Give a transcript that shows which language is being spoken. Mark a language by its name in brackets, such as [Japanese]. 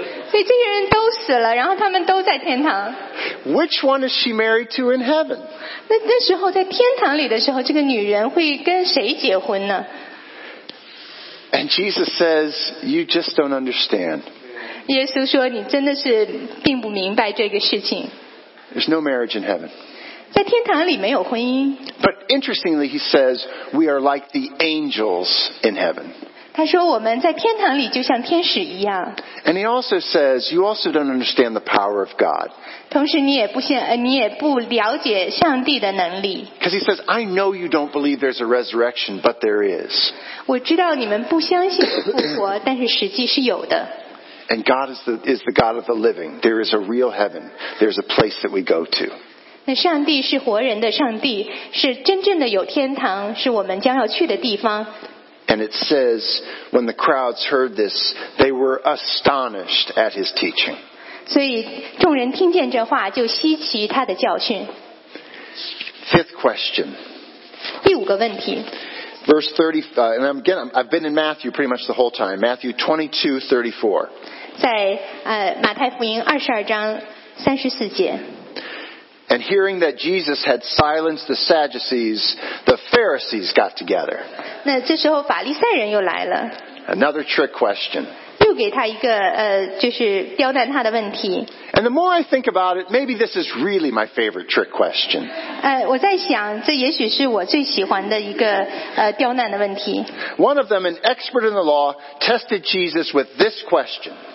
[Chinese] 所以这些人都死了，然后他们都在天堂。 [English] Which one is she married to in heaven? [Chinese] 那时候在天堂里的时候，这个女人会跟谁结婚呢？ [English] And Jesus says, "You just don't understand." [Chinese] 耶稣说，你真的是并不明白这个事情。 [English] There's no marriage in heaven. [Chinese] 在天堂里没有婚姻。 [English] But interestingly, he says, "We are like the angels in heaven." [Chinese] 他说，我们在天堂里就像天使一样。 [English] And he also says, "You also don't understand the power of God." [Chinese] 同时，你也不了解上帝的能力。 [English] Because he says, "I know you don't believe there's a resurrection, but there is." [Chinese] 我知道你们不相信复活，但是实际是有的。 [English] And God is the God of the living. There is a real heaven. There's a place that we go to. [Chinese] 那上帝是活人的上帝，是真正的有天堂，是我们将要去的地方。 [English] And it says, when the crowds heard this, they were astonished at his teaching. [Chinese] 所以众人听见这话就稀奇他的教训。 [English] Fifth question. [Chinese] 第五个问题。 [English] Verse 30, and again, I've been in Matthew pretty much the whole time. Matthew 22:34. [Chinese] 在马太福音22:34节。 [English] And hearing that Jesus had silenced the Sadducees, the Pharisees got together. [Chinese] 那这时候法利赛人又来了。 [English] Another trick question. [Chinese] 又给他一个就是刁难他的问题。 [English] And the more I think about it, maybe this is really my favorite trick question. [Chinese] 我在想，这也许是我最喜欢的一个刁难的问题。 [English] One of them, an expert in the law, tested Jesus with this question.